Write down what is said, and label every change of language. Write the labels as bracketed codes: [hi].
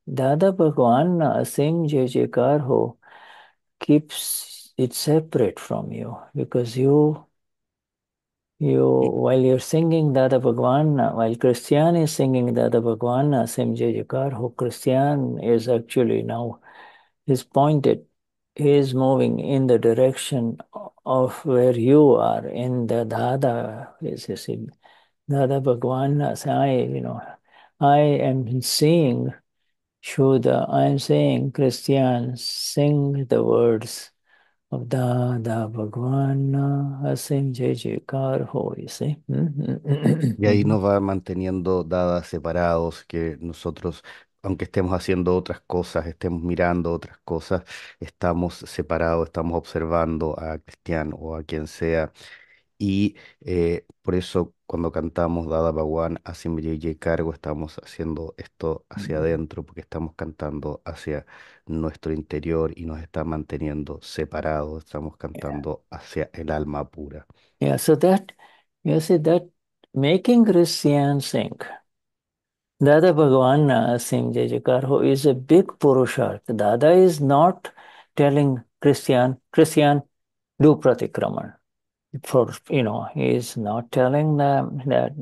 [en] Dada Bhagwan Singh Jai Jaikar Ho keeps it's separate from you because while you're singing Dada Bhagwan, while Christian is singing Dada Bhagwan, Sim Jai Jaikar Ho, Christian is actually now, he's pointed, he's moving in the direction of where you are in the Dada, is you see, Dada Bhagwan, say, I am seeing Shuddha, I am saying Christian, sing the words of Dada Bhagwan Asim Jai Jaikar Ho, you see. [es] Y ahí nos va manteniendo dadas separados, que nosotros, aunque estemos haciendo otras cosas, estemos mirando otras cosas, estamos separados, estamos observando a Cristian o a quien sea. Y por eso cuando cantamos Dada Bhagwan, Asim Yeye Cargo, estamos haciendo esto hacia adentro, porque estamos cantando hacia nuestro interior y nos está manteniendo separados, estamos cantando hacia el alma pura. [en] Yeah, so that, you see, that making Christian sing, Dada Bhagwan Singh Jai Jaikar Ho is a big purushartha. Dada is not telling Christian, do pratikraman. He's not telling them that.